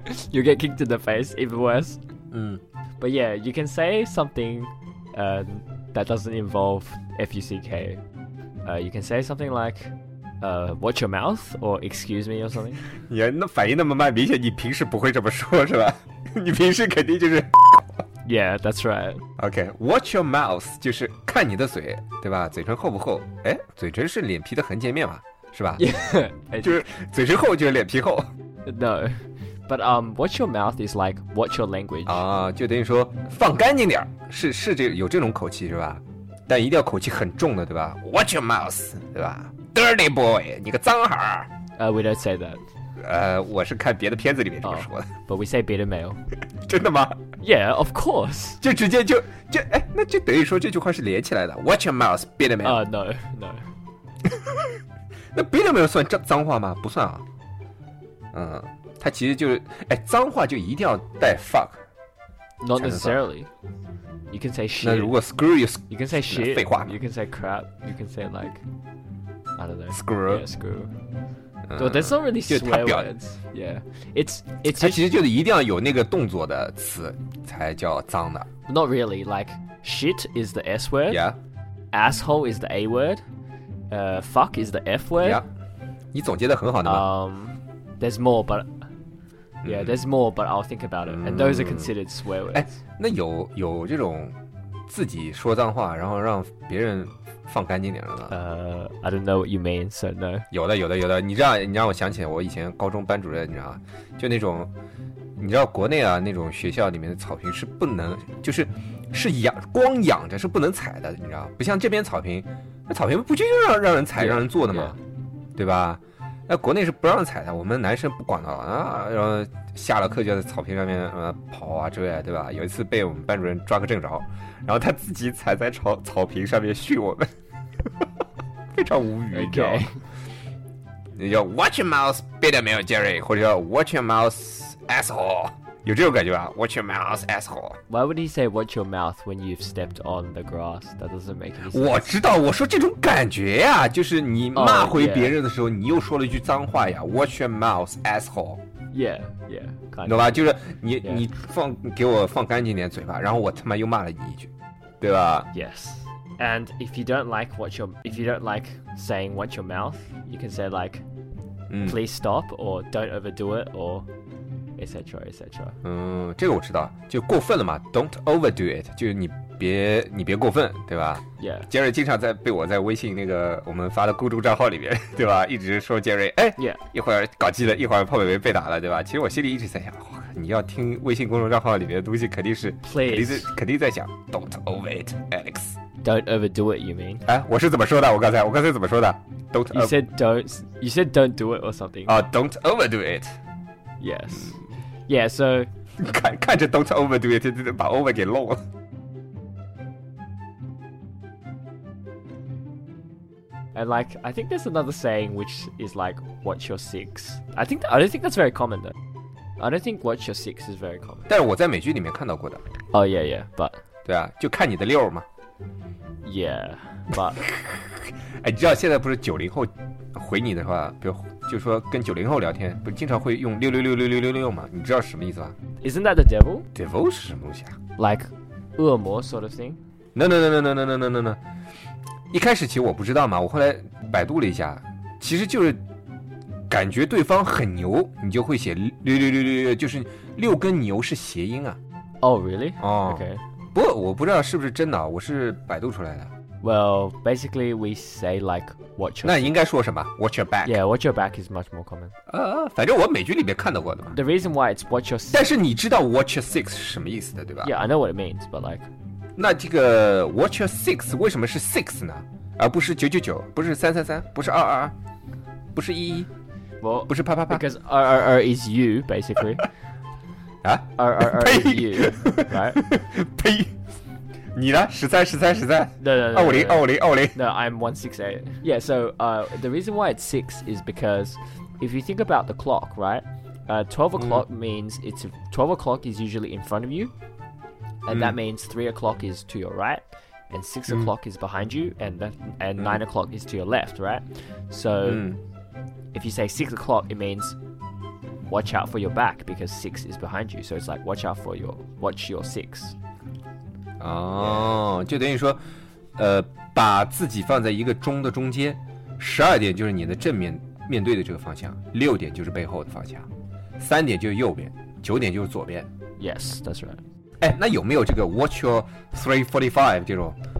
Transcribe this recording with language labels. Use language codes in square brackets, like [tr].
[en] You get kicked in the face, even worse. [zh] 嗯。 [en] But yeah, you can say something that doesn't involve F-U-C-K. You can say something like, watch your mouth, or excuse me, or something. [zh] 你反应那么慢，明显你平时不会这么说，是吧？你平时肯定就是 [en] Yeah, that's right. Okay, watch your mouth, [zh] 就是看你的嘴，对吧？嘴唇厚不厚？哎，嘴唇是脸皮的横截面嘛，是吧？ [en] Yeah, [zh] 就是嘴唇厚就是脸皮厚。 [en] No. But watch your mouth is like watch your language. [zh] 啊，就等于说放干净点，是这有这种口气是吧？但一定要口气很重的，对吧 ？ [en] Watch your mouth, [zh] 对吧 ？ [en] Dirty boy, [zh] 你个脏孩儿。 [en] We don't say that. [zh] 我是看别的片子里面这么说的。 [en] But we say beat the mail. [zh] 真的吗 [en] ？Yeah, of course. [zh] 就直接就哎，那就等于说这句话是连起来的。 [en] Watch your mouth, beat the mail. No. [zh] 那 [en] beat the mail [zh] 算脏话吗？不算啊。嗯。它其实就是，哎，脏话就一定要带 fuck。 [en] Not necessarily. You can say shit. [zh] 那如果 [en] screw you, you can say shit. [zh] 废话。 [en] You can say crap. You can say like, I don't know. Screw. Yeah, screw. So that's not really swear words. Yeah. It's [zh] 它其实就是一定要有那个动作的词才叫脏的。 [en] Not really. Like shit is the S word. Yeah. Asshole is the A word. Fuck is the F word. Yeah. [zh] 你总结得很好的吗？ [en] There's more, but yeah, there's more, but I'll think about it. And those are considered swear words. [zh] 哎，那有这种自己说脏话，然后让别人放干净点的吗？ [en] I don't know what you mean, so no. [zh] 有的。你让我想起我以前高中班主任，你知道吗？就那种，你知道国内啊那种学校里面的草坪是不能，就是是养光养着是不能踩的，你知道？不像这边草坪，那草坪不就是让人踩、 [en] yeah, [zh] 让人坐的吗？ [en] Yeah. [zh] 对吧？那国内是不让踩的，我们男生不管的啊，然后下了课就在草坪上面跑啊之类，对吧？有一次被我们班主任抓个正着，然后他自己踩在草坪上面训我们，非常无语，你知道吗？ [en] 叫 Watch your mouth, beat me, Jerry， [zh] 或者叫 [en] Watch your mouth, asshole， [zh] 有这种感觉吧 [en] ？Watch your mouth, asshole。 Why would he say watch your mouth when you've stepped on the grass? That doesn't make any sense. [zh] 我知道，我说这种感觉呀、就是你骂回别人的时候， [en] oh, yeah. [zh] 你又说了一句脏话呀。 [en] Watch your mouth, asshole. Yeah, kind of. [zh] 懂吧？就是你、 [en] yeah. [zh] 你放给我放干净点嘴巴，然后我他妈又骂了你一句，对吧 [en] ？Yes. And if you don't like what your if you don't like saying what your mouth, you can say like, please stop or don't overdo it or etc. etc. [zh] 嗯，这个我知道，就过分了嘛。 [en] Don't overdo it， [zh] 就是你别过分，对吧 [en] ？Yeah. [zh] 杰瑞经常在被我在微信那个我们发的公众账号里面，对吧？一直说杰瑞，哎， [en] yeah. [zh] 一会儿搞基了，一会儿泡美美被打了，对吧？其实我心里一直在想，你要听微信公众账号里面的东西，肯定是 [en] please [zh] 肯定在想 ， [en] Don't over it, Alex. Don't overdo it, you mean? [zh] 哎，我是怎么说的？我刚才怎么说的 ？ [en] Don't you said don't you said don't do it or something? Oh, don't overdo it. Yes, yeah. So [zh] 看着 [en] don't overdo it， [zh] 把 over 给漏了。 [en] And like, I think there's another saying which is like, watch your six. I don't think that's very common though. I don't think watch your six is very common. [zh] 但是我在美剧里面看到过的。 [en] Oh yeah, yeah, but. [zh] 对啊，就看你的六嘛。 [en] Yeah, but. [zh] 哎，你知道现在不是九零后回你的话，比如就说跟九零后聊天，不是经常会用六六六六六六六吗？你知道什么意思吧 [en] ？Isn't that the devil? [zh] Devil 是什么东西啊 [en] ？Like, [zh] 恶魔 [en] sort of thing? No. [zh] 一开始其实我不知道嘛，我后来百度了一下，其实就是感觉对方很牛，你就会写六六六六六，就是六跟牛是谐音啊。 [en] Oh, really? Oh, okay. [zh] 不，我不知道是不是真的，我是百度出来的。 [en] Well, basically, we say like watch. Your... [zh] 那应该说什么 ？ [en] Watch your back. Yeah, watch your back is much more common. [zh] 反正我美剧里面看到过的嘛。 [en] The reason why it's watch your. [zh] 但是你知道 [en] watch your six [zh] 是什么意思的，对吧 [en] ？Yeah, I know what it means, but like. [zh] 那这个 [en] watch your six [zh] 为什么是 six 呢？而不是九九九，不是三三三，不是二二二，不是一一，我不是啪啪啪 [en] ，because [zh] 二二二 [en] is you basically [zh] 啊，二二二 [en] is you， [zh] 来，呸，你呢？十三十三十三 [en] ，no [zh] 二五零二五零二五零 [en] ，no I'm 168 yeah so the reason why it's six is because if you think about the clock right twelve o'clock means it's twelve o'clock is usually in front of you。 And that means 3 o'clock is to your right, and 6 o'clock is behind you, and 9 o'clock is to your left, right? So, if you say 6 o'clock, it means watch out for your back, because 6 is behind you. So it's like, watch out for your, watch your 6. Oh, yeah. [zh] 就等于说，把自己放在一个钟的中间，12点就是你的正面，面对的这个方向，6点就是背后的方向，3点就是右边，9点就是左边。 [en] Yes, that's right. [zh] 哎，那有没有这个 [en] Watch your 3:45 [zh] 这种？